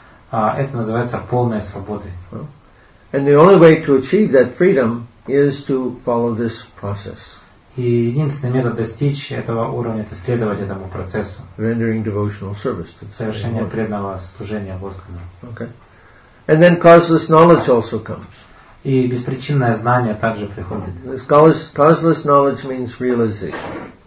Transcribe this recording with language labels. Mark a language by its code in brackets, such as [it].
[ru] Это называется полная свобода. [en] And the only way to achieve that freedom is to follow this process. [ru] И единственный метод достичь этого уровня — это следовать этому процессу. [en] Rendering devotional service. [ru] Совершение преданного служения Господу. [en] Okay. And then causeless knowledge also comes. [ru] И беспричинное знание также приходит. [en] This causeless knowledge means realization.